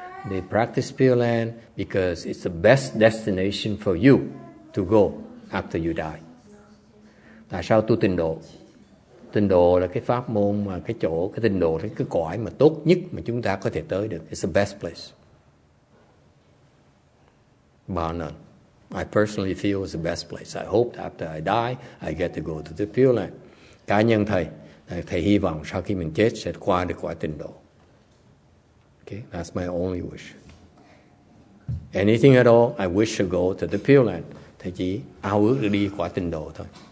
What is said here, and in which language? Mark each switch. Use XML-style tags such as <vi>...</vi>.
<en>They practice Pure Land because it's the best destination for you to go after you die.</en> <vi>Tại sao tu tịnh độ? Tịnh độ là cái pháp môn mà cái chỗ, cái tịnh độ là cái cõi mà tốt nhất mà chúng ta có thể tới được.</vi> <en>It's the best place. Bar none. I personally feel it's the best place. I hope that after I die, I get to go to the Pure Land.</en> <vi>Cá nhân thầy, thầy hy vọng sau khi mình chết sẽ qua được quả tịnh độ.</vi> <en>Okay, that's my only wish. Anything at all, I wish to go to the Pure Land.</en> <vi>Thầy chỉ ao ước đi quả tịnh độ thôi.</vi>